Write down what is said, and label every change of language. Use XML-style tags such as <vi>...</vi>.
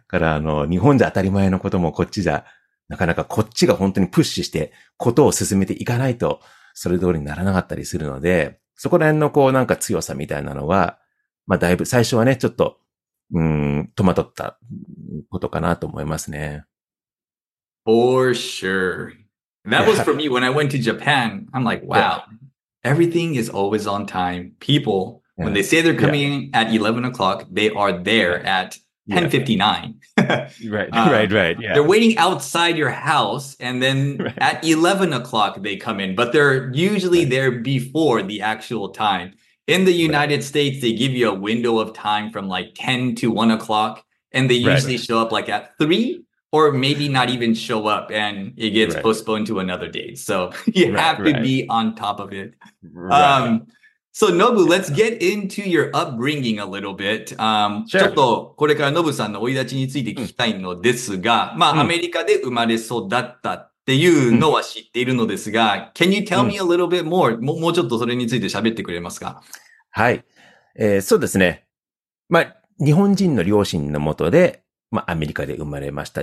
<ja>だからあの、日本じゃ当たり前のこともこっちじゃ、なかなかこっちが本当にプッシュしてことを進めていかないと、それ通りにならなかったりするので、そこら辺のこうなんか強さみたいなのは、まあだいぶ最初はね、ちょっと、戸惑ったことかなと思いますね。</ja> <en>For sure. That was for me when I went to Japan. I'm like, wow, everything is always on time. People, when they say they're coming at 11 o'clock, they are there at 10:59. right. Yeah. They're waiting outside your house and then at 11 o'clock they come in, but they're usually there before the actual time. In the United States, they give you a window of time from like 10 to 1 o'clock and they usually show up like at 3 or maybe not even show up and it gets postponed to another day. So you have to be on top of it. So, Nobu, let's get into your upbringing a little bit.</en> <ja>ちょっとこれから Nobu さんの生い立ちについて聞きたいのですが、まあ、アメリカで生まれ育ったっていうのは知っているのですが、</ja> <en>Can you tell me a little bit more?</en> <ja>もうちょっとそれについて喋ってくれますか？はい。そうですね。まあ、日本人の両親のもとで、まあ、アメリカで生まれました。</ja>